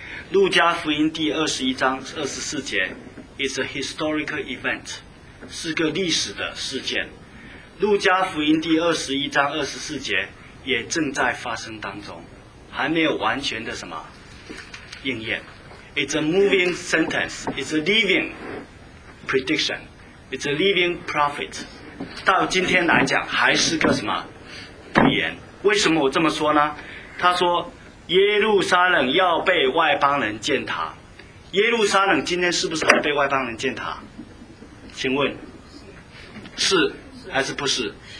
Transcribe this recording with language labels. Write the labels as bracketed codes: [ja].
[zh] 路加福音第二十一章二十四节 [en] is a historical event， [zh] 是个历史的事件。路加福音第二十一章二十四节也正在发生当中，还没有完全的什么应验。 [en] It's a moving sentence. It's a living prediction. It's a living prophet. [zh] 到今天来讲还是个什么预言。为什么我这么说呢？他说耶路撒冷要被外邦人践踏。耶路撒冷今天是不是还被外邦人践踏？请问是还是不是？